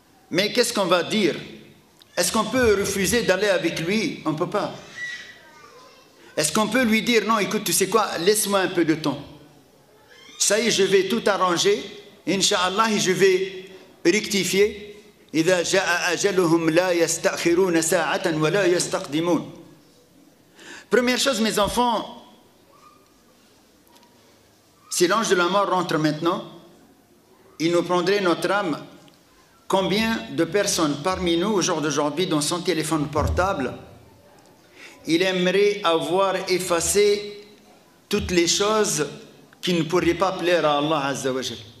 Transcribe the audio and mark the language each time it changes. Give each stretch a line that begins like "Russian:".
French: Mais qu'est-ce qu'on va dire? Est-ce qu'on peut refuser d'aller avec lui? On ne peut pas. Est-ce qu'on peut lui dire, non, écoute, tu sais quoi, laisse-moi un peu de temps. Ça y est, je vais tout arranger. Inch'Allah, je vais rectifier.
Arabic: إذا جاء أجلهم لا يستأخرون ساعة ولا يستقدمون.
French: Première chose, mes enfants, si l'ange de la mort rentre maintenant, il nous prendrait notre âme. Combien de personnes parmi nous, au jour d'aujourd'hui, dans son téléphone portable, il aimerait avoir effacé toutes les choses qui ne pourraient pas plaire à Allah Azza wa Jal.